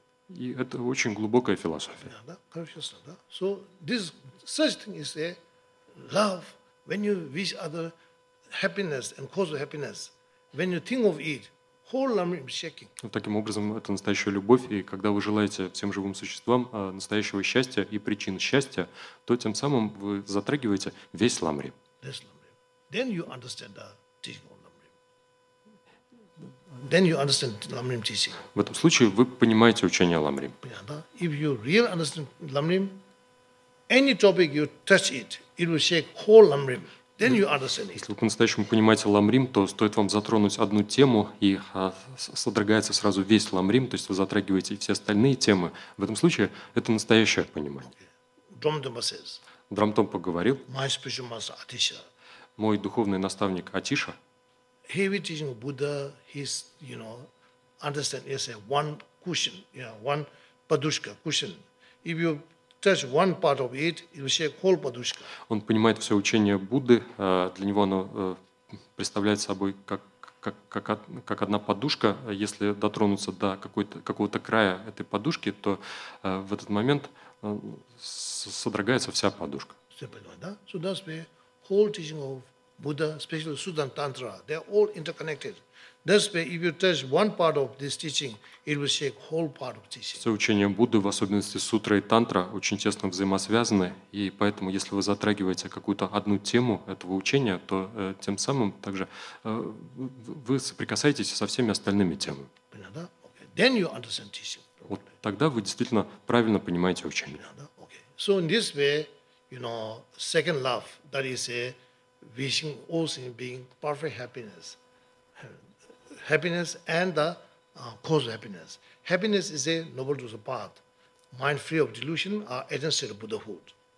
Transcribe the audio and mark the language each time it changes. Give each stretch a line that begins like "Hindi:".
Russian: И это очень глубокая философия.
English: So this such thing is a love. When you wish other happiness and cause of happiness, when you think of it, whole lama is shaking.
Russian: Таким образом, это настоящая любовь, и когда вы желаете всем живым существам настоящего счастья и причин счастья, то тем самым вы затрагиваете весь ламри.
English: Then you understand the teaching of ламри. Then you understand ламри teaching.
Russian: В этом случае вы понимаете учение ламри.
English: If you really understand ламри, any topic you touch it, it will shake whole Lamrim. Then you understand it.
Russian: Если вы по-настоящему понимаете Ламрим, то стоит вам затронуть одну тему, и содрогается сразу весь Ламрим, то есть вы затрагиваете все остальные темы. В этом случае это настоящее понимание.
English: Okay.
Russian: Драмтомпа говорил,
English: my spiritual master, Atisha,
Russian: мой духовный наставник Атиша,
English: heavy teaching of Buddha, he's, you know, understand, yes, one cushion, yeah, one padushka, cushion. If you touch one part of it, it will shake whole padushka.
Russian: Он понимает все учение Будды. Для него оно представляет собой как одна подушка. Если дотронуться до какого-то края этой подушки, то в этот момент содрогается вся подушка. Все понимают, да?
English: So that's where whole teaching of Buddha, especially Sutta and Tantra, they're all interconnected.
Russian: Все учение Будды, в особенности сутра и тантра, очень тесно взаимосвязаны, и поэтому, если вы затрагиваете какую-то одну тему этого учения, то тем самым также вы соприкасаетесь со всеми остальными темами.
English: Then you understand teaching.
Russian: Вот тогда вы действительно правильно понимаете учение.
English: Okay. So in this way, you know, second love, that is a wishing all things being perfect happiness. Happiness and the cause of happiness. Happiness is a noble truth of path. Mind free of delusion are essential of Buddhahood.